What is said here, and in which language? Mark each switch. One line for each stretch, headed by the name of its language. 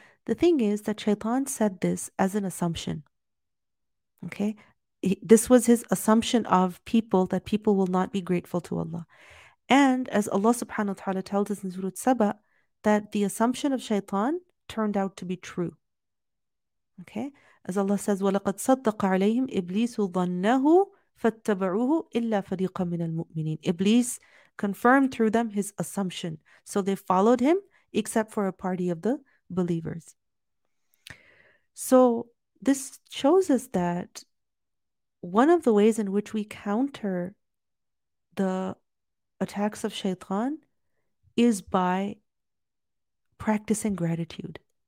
English: The thing is that Shaitan said this as an assumption. Okay? This was his assumption of people, that people will not be grateful to Allah. And as Allah subhanahu wa ta'ala tells us in Surah Saba, that the assumption of Shaitan turned out to be true. Okay? As Allah says,
Arabic: وَلَقَدْ صَدَّقَ عَلَيْهِمْ إِبْلِيسُ ظَنَّهُ فَاتَّبَعُوهُ إِلَّا فَرِيقًا مِّنَ الْمُؤْمِنِينَ.
English: Iblis confirmed through them his assumption. So they followed him, except for a party of the believers. So this shows us that one of the ways in which we counter the attacks of Shaitan is by practicing gratitude.